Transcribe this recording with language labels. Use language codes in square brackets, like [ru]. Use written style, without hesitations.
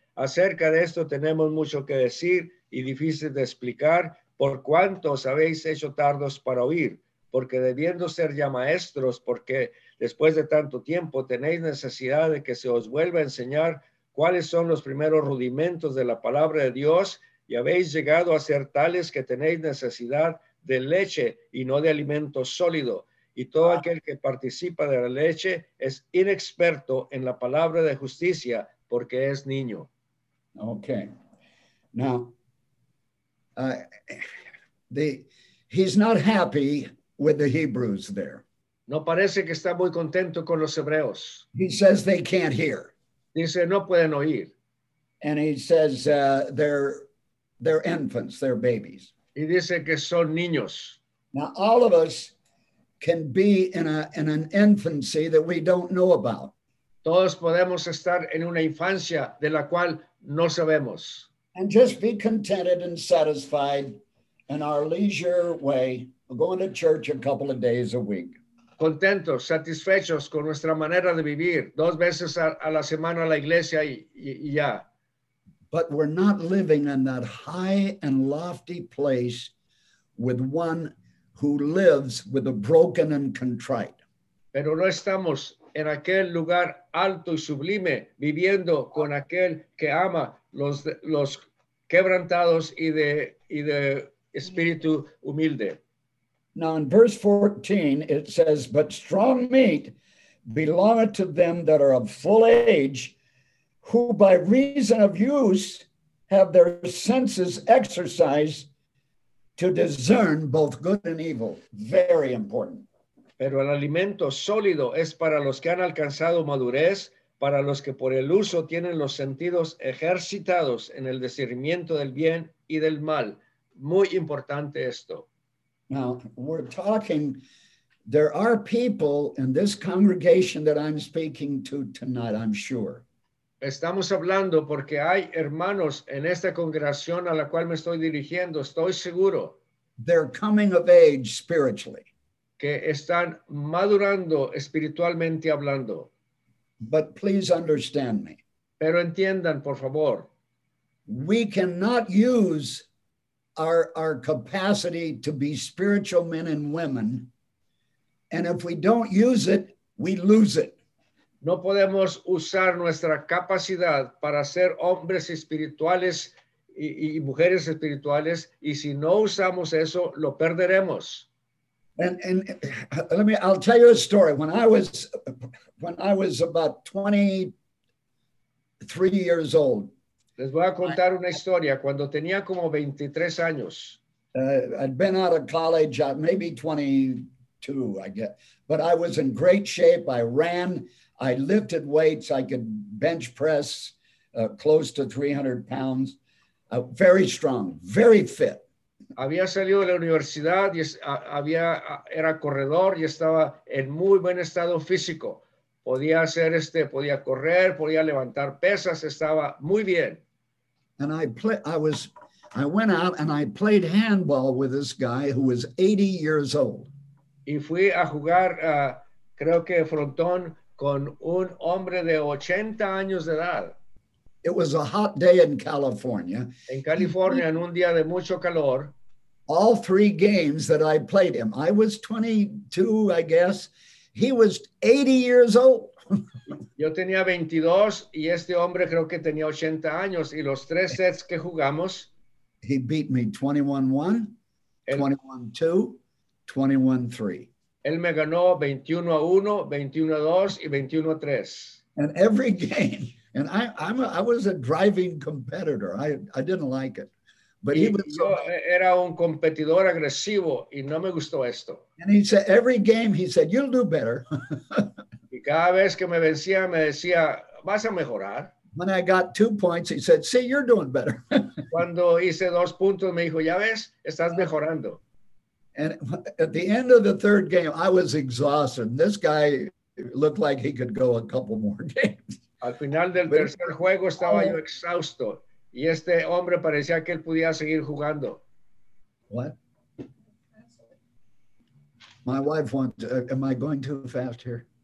[es] Acerca de esto tenemos mucho que decir y difícil de explicar, por cuanto os habéis hecho tardos para oír, porque debiendo ser ya maestros, porque después de tanto tiempo tenéis necesidad de que se os vuelva a enseñar cuáles son los primeros rudimentos de la palabra de Dios, y habéis llegado a ser tales que tenéis necesidad de leche y no de alimento sólido. Y todo aquel que participa de la leche es inexperto en la palabra de justicia, porque es niño. [en] Okay. Now, he's not happy with the Hebrews there. [es] No parece que está muy contento con los Hebreos. [en] He says they can't hear. [es] Dice, no pueden oír. [en] And he says they're infants, they're babies. [es] Y dice que son niños. [en] Now, all of us can be in an infancy that we don't know about. [es] Todos podemos estar en una infancia de la cual no sabemos. [en] And just be contented and satisfied in our leisure way, going to church a couple of days a week. [es] Contentos, satisfechos con nuestra manera de vivir, dos veces a la semana a la iglesia y ya. [en] But we're not living in that high and lofty place with one who lives with a broken and contrite. [es] Pero no estamos en aquel lugar alto y sublime, viviendo con aquel que ama los quebrantados y de espíritu humilde. [en] Now in verse 14, it says, but strong meat belongeth to them that are of full age, who by reason of use have their senses exercised to discern both good and evil. Very important. [es] Pero el alimento sólido es para los que han alcanzado madurez, para los que por el uso tienen los sentidos ejercitados en el discernimiento del bien y del mal. Muy importante esto. [en] Now, we're talking, there are people in this congregation that I'm speaking to tonight, I'm sure. [es] Estamos hablando porque hay hermanos en esta congregación a la cual me estoy dirigiendo, estoy seguro. [en] They're coming of age spiritually. [es] Que están madurando espiritualmente hablando. [en] But please understand me. [es] Pero entiendan, por favor. [en] We cannot use our capacity to be spiritual men and women, and if we don't use it, we lose it. [es] No podemos usar nuestra capacidad para ser hombres espirituales y mujeres espirituales, y si no usamos eso, lo perderemos. [en] And let me, I'll tell you a story. When I was about 23 years old. [es] Les voy a contar una historia. Cuando tenía como 23 años. [en] I'd been out of college, maybe 22, I guess. But I was in great shape. I ran, I lifted weights. I could bench press close to 300 pounds. Very strong, very fit. [es] Había salido de la universidad y era corredor y estaba en muy buen estado físico. Podía hacer podía correr, podía levantar pesas, estaba muy bien. [en] And I went out and I played handball with this guy who was 80 years old. [es] Y fui a jugar, creo que frontón, con un hombre de 80 años de edad. [en] It was a hot day in California. [es] En California, en un día de mucho calor. [en] All three games that I played him. I was 22, I guess. He was 80 years old. [es] Yo tenía 22 y este hombre creo que tenía 80 años. Y los tres sets que jugamos. [en] He beat me 21-1, 21-2, 21-3. [es] Él me ganó 21-1, 21-2 y 21-3. [en] And every game, and I was a driving competitor. I didn't like it. But he was [es] era un competidor agresivo y no me gustó esto. [en] And he said every game he said you'll do better. [es] Y cada vez que me vencía me decía vas a mejorar. [en] When I got 2 points, he said, "See, you're doing better." [es] Cuando hice dos puntos, me dijo, "Ya ves, estás mejorando." [en] And at the end of the third game, I was exhausted. This guy looked like he could go a couple more games. [es] Al final del tercer juego estaba yo exhausto. Y este hombre parecía que él podía seguir jugando. [en] What? My wife wants, am I going too fast here?